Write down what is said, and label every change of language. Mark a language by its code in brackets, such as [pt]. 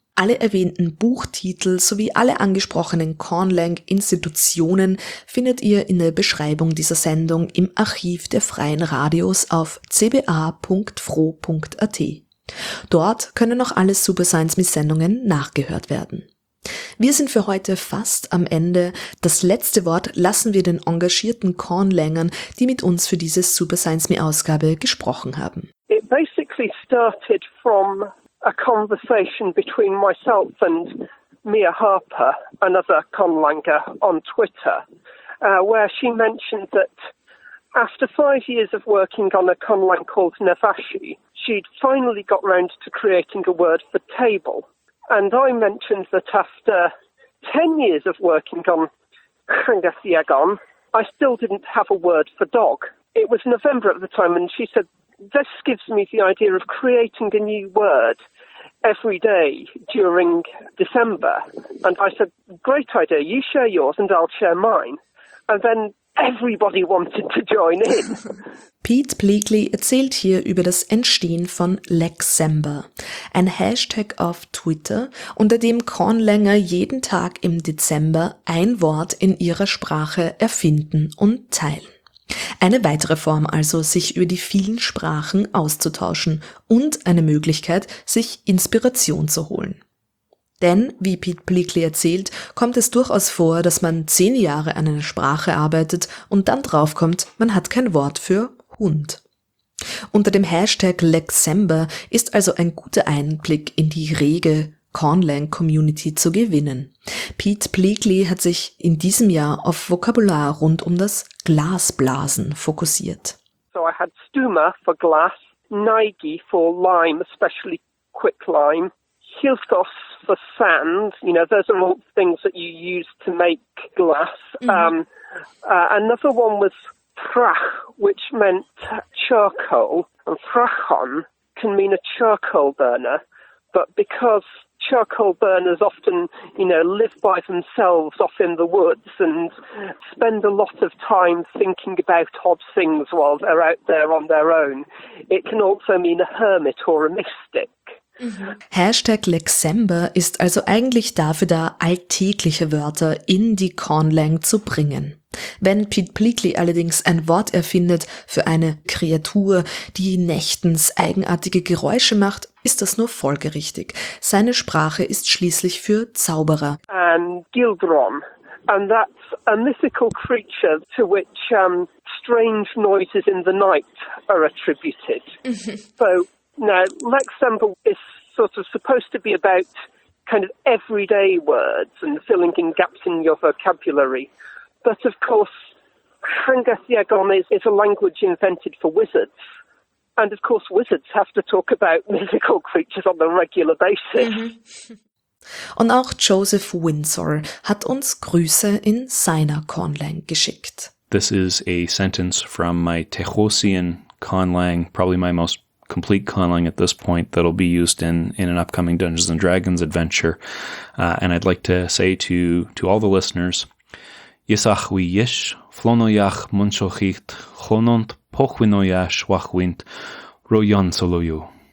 [de] Alle erwähnten Buchtitel sowie alle angesprochenen Conlang-Institutionen findet ihr in der Beschreibung dieser Sendung im Archiv der Freien Radios auf cba.fro.at. Dort können auch alle Super Science Miss Sendungen nachgehört werden. Wir sind für heute fast am Ende. Das letzte Wort lassen wir den engagierten Conlangern, die mit uns für diese Super Science Me Ausgabe gesprochen haben. [en] It basically started from a conversation between myself and Mia Harper, another Conlanger, on Twitter, where she mentioned that after 5 years of working on a Conlang called Nevashi, she'd finally got round to creating a word for table. And I mentioned that after 10 years of working on Hangathiagon, I still didn't have a word for dog. It was November at the time, and she said, this gives me the idea of creating a new word every day during December. And I said, great idea, you share yours and I'll share mine. And then everybody wanted to join in. [de] Pete Bleakley erzählt hier über das Entstehen von Lexember, ein Hashtag auf Twitter, unter dem Conlanger jeden Tag im Dezember ein Wort in ihrer Sprache erfinden und teilen. Eine weitere Form also, sich über die vielen Sprachen auszutauschen und eine Möglichkeit, sich Inspiration zu holen. Denn, wie Pete Bleakley erzählt, kommt es durchaus vor, dass man 10 Jahre an einer Sprache arbeitet und dann draufkommt, man hat kein Wort für Hund. Unter dem Hashtag Lexember ist also ein guter Einblick in die rege Conlang-Community zu gewinnen. Pete Bleakley hat sich in diesem Jahr auf Vokabular rund um das Glasblasen fokussiert. [en] So I had Stuma for glass, Nigi for lime, especially quick lime, Hilthos for sand, you know, those are all things that you use to make glass. Mm-hmm. Another one was Frach, which meant charcoal, and Frachon can mean a charcoal burner, but because charcoal burners often, you know, live by themselves off in the woods and spend a lot of time thinking about odd things while they're out there on their own, it can also mean a hermit or a mystic. Mhm. [de] Hashtag Lexember ist also eigentlich dafür da, alltägliche Wörter in die Conlang zu bringen. Wenn Pete Bleakley allerdings ein Wort erfindet für eine Kreatur, die nächtens eigenartige Geräusche macht, ist das nur folgerichtig. Seine Sprache ist schließlich für Zauberer. [en] Gildron. And that's a mythical creature to which strange noises in the night are attributed. So now, Lex Semple is sort of supposed to be about kind of everyday words and filling in gaps in your vocabulary. But of course, Hangathiagon is a language invented for wizards. And of course, wizards have to talk about mythical creatures on a regular basis. [de] Und auch Joseph Windsor hat uns Grüße in seiner Conlang geschickt. [en] This is a sentence from my Texosian Conlang, probably my most complete Conlang at this point, that'll be used in an upcoming Dungeons and Dragons adventure. And I'd like to say to all the listeners, Yisach wi yish, flonoyach munchochicht, chonont pochwinoyash wachwint, royon soloyu.